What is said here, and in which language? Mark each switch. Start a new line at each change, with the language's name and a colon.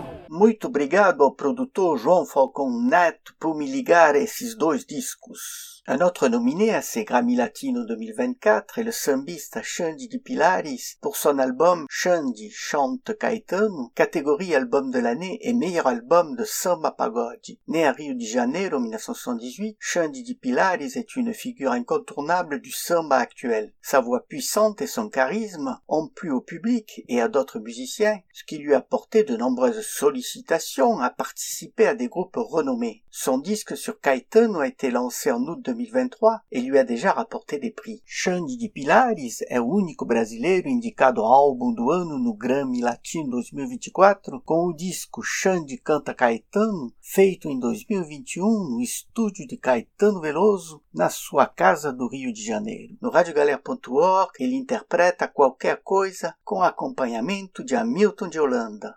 Portuguese: Muito obrigado ao produtor João Falcão Neto por me ligar esses dois discos.
French: Un autre nominé à ces Grammy Latino 2024 est le sambista Xandi de Pilares pour son album Xandi Chante Caetano, catégorie album de l'année et meilleur album de samba pagode. Né à Rio de Janeiro en 1978, Xandi de Pilares est une figure incontournable du samba actuel. Sa voix puissante et son charisme ont plu au public et à d'autres musiciens, ce qui lui a porté de nombreuses sollicitations à participer à des groupes renommés. Son disque sur Caetano a été lancé en août 2023 e lui a déjà rapporté des prix.
Portuguese: Xandi de Pilares é o único brasileiro indicado ao álbum do ano no Grammy Latino 2024 com o disco Xandi Canta Caetano, feito em 2021 no estúdio de Caetano Veloso, na sua casa do Rio de Janeiro. No radiogalera.org ele interpreta Qualquer Coisa com acompanhamento de Hamilton de Holanda.